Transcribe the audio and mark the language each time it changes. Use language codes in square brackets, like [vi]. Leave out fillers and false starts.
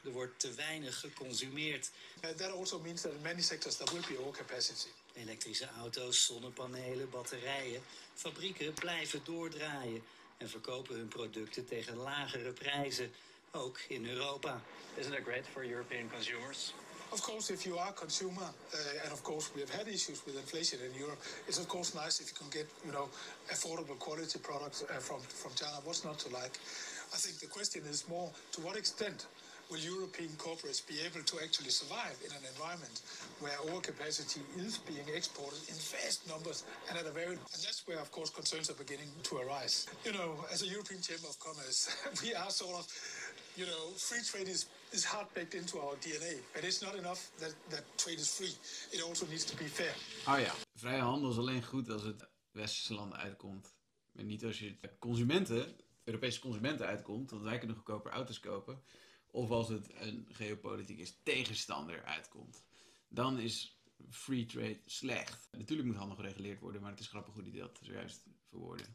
[nl] Er wordt te weinig geconsumeerd. [en] That also means that in many sectors there will be overcapacity. [nl] Elektrische auto's, zonnepanelen, batterijen. Fabrieken blijven doordraaien en verkopen hun producten tegen lagere prijzen. Ook in Europa. [en] Isn't it great for European consumers? Of course, if you are a consumer, and of course we have had issues with inflation in Europe, it's of course nice if you can get, you know, affordable quality products from China. What's not to like? I think the question is more, to what extent will European corporates be able to actually survive in an environment where overcapacity is being exported in vast numbers and at a very... And that's where, of course, concerns are beginning to arise. You know, as a European Chamber of Commerce, we are sort of, you know, free trade is hard baked into our DNA. But it's not enough that trade is free. It also needs to be fair. [nl] Oh ja, vrije handel is alleen goed als het westerse landen uitkomt. En niet als je het consumenten, Europese consumenten uitkomt, want wij kunnen goedkoper auto's kopen. Of als het een geopolitieke tegenstander uitkomt. Dan is free trade slecht. Natuurlijk moet handel gereguleerd worden, maar het is grappig hoe die dat zojuist verwoorden.